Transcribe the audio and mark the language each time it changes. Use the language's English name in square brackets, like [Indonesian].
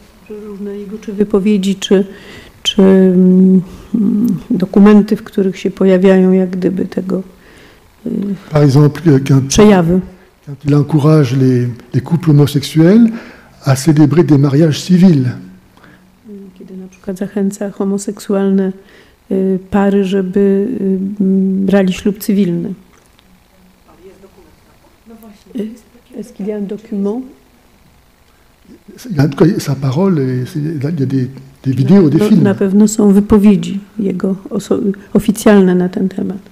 [Polish] Różne jego czy wypowiedzi, czy dokumenty, w których się pojawiają jak gdyby tego [French] par exemple, [Polish] przejawy. [French] Quand il encourage les couples homosexuels à célébrer des mariages civils. [Polish] Kiedy na przykład zachęca homoseksualne pary, żeby brali ślub cywilny. [French] Est-ce qu'il y a un document? Il y a en tout cas sa parole, il y a des vidéos, des films. [Polish] Na pewno są wypowiedzi jego oficjalne na ten temat.